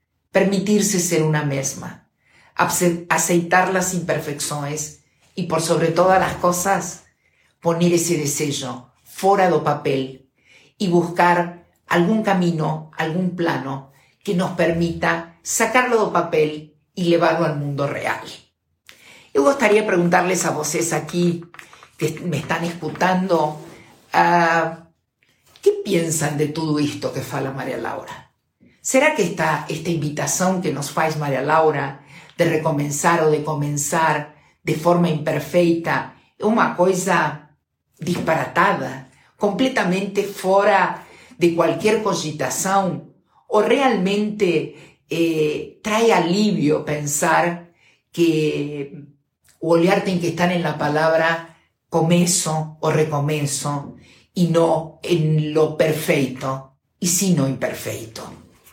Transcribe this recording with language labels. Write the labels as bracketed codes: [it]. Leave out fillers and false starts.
[pt] Permitir-se ser uma mesma. Aceitar as imperfeições e, por sobre todas as coisas, poner esse desejo fora do papel e buscar algum caminho, algum plano que nos permita sacá-lo do papel e levá-lo ao mundo real. [es] Yo gustaría preguntarles a vocês aquí, que me están escuchando, ¿qué piensan de todo esto que fala María Laura? ¿Será que esta invitación que nos faz María Laura de recomenzar o de comenzar de forma imperfeita es una cosa disparatada, completamente fuera de cualquier cogitación? [pt] ¿O realmente [es] trae alivio [pt] pensar que o olhar tem que estar na palavra começo ou recomeço e não em lo perfeito e sim no imperfeito?